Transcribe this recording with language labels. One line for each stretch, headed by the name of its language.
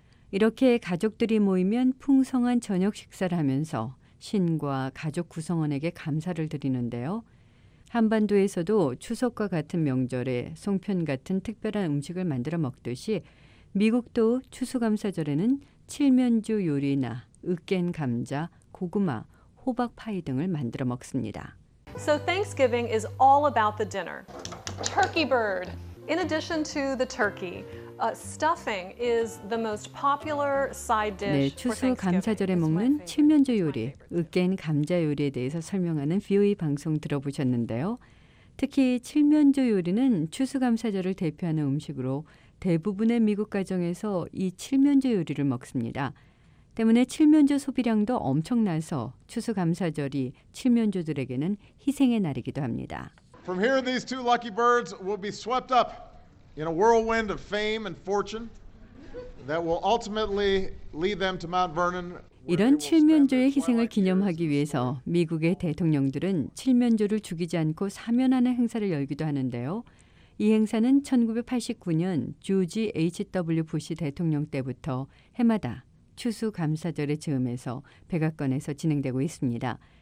Korean: 이렇게 가족들이 모이면 풍성한 저녁 식사를 하면서 신과 가족 구성원에게 감사를 드리는데요. 한반도에서도 추석과 같은 명절에 송편 같은 특별한 음식을 만들어 먹듯이 미국도 추수감사절에는 칠면조 요리나 으깬 감자, 고구마, 호박 파이 등을 만들어 먹습니다.
English: So Thanksgiving is all about the dinner. Turkey bird. In addition to the turkey, Stuffing is the most popular side dish.
Korean: 네, 추수 감사절에 먹는 칠면조 요리, 으깬 감자 요리에 대해서 설명하는 VOA 방송 들어보셨는데요. 특히 칠면조 요리는 추수감사절을 대표하는 음식으로 대부분의 미국 가정에서 이 칠면조 요리를 먹습니다. 때문에 칠면조 소비량도 엄청나서 추수감사절이 칠면조들에게는 희생의 날이기도 합니다.
English: From here, these two lucky birds will be swept up in a whirlwind of fame and fortune that will ultimately lead them to Mount Vernon.
Korean: 이런 칠면조의 희생을 기념하기 위해서 미국의 대통령들은 칠면조를 죽이지 않고 사면하는 행사를 열기도 하는데요. 이 행사는 1989년 조지 H.W. 부시 대통령 때부터 해마다 추수감사절의 즈음에서 백악관에서 진행되고 있습니다.